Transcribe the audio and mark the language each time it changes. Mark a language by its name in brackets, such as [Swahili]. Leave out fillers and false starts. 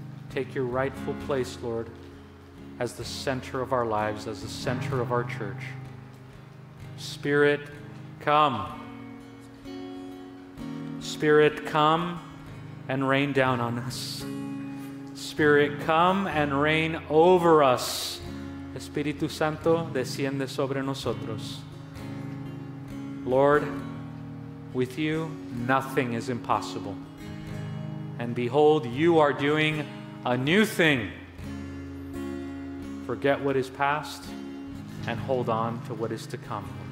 [English] Take your rightful place, Lord, as the center of our lives, as the center of our church. Spirit, come. Spirit, come and rain down on us. Spirit, come and reign over us. [Spanish] Espíritu Santo, desciende sobre nosotros. [English] Lord, with you, nothing is impossible. And behold, you are doing a new thing. Forget what is past and hold on to what is to come.